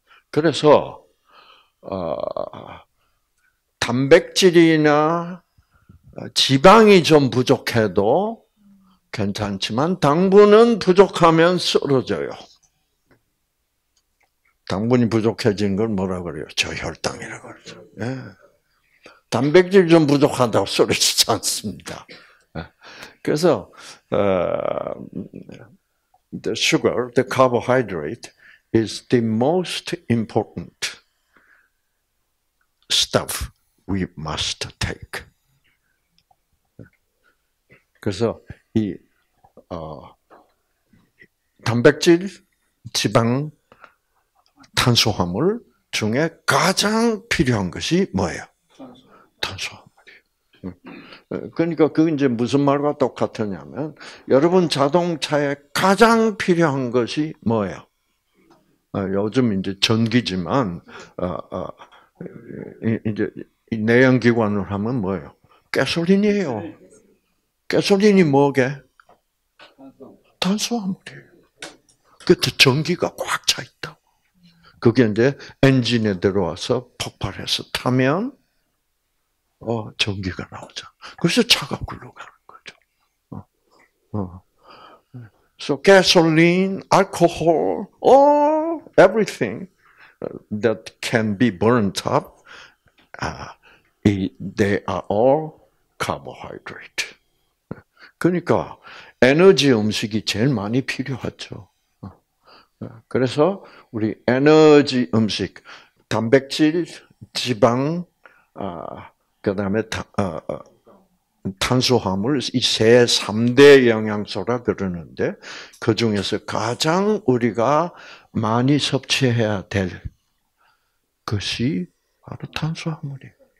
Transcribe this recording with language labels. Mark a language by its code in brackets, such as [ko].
[ko] 그래서 단백질이나 지방이 좀 부족해도 괜찮지만 당분은 부족하면 쓰러져요. 당분이 부족해진 걸 뭐라 그래요? 저혈당이라고 그러죠. 예. 단백질 좀 부족하다고 쓰러지지 않습니다. 그래서 [en] the sugar, the carbohydrate is the most important stuff we must take. [ko] 그래서 이 단백질, 지방, 탄수화물 중에 가장 필요한 것이 뭐예요? 탄수화물이에요. 그러니까 그게 이제 무슨 말과 똑같으냐면 여러분 자동차에 가장 필요한 것이 뭐예요? 요즘 이제 전기지만 이제 내연기관을 하면 뭐예요? 가솔린이에요. 가솔린이 뭐게? 탄수화물이에요. 그때 전기가 꽉 차 있다고. 그게 이제 엔진에 들어와서 폭발해서 타면 전기가 나오죠. 그래서 차가 굴러가는 거죠. [en] So gasoline, alcohol, all everything that can be burnt up, they are all carbohydrate. [ko] 그러니까 에너지 음식이 제일 많이 필요하죠. 그래서 우리 에너지 음식, 단백질, 지방, 그다음에 탄수화물 이 세 3대 영양소라 그러는데 그 중에서 가장 우리가 많이 섭취해야 될 것이 바로 탄수화물이에요.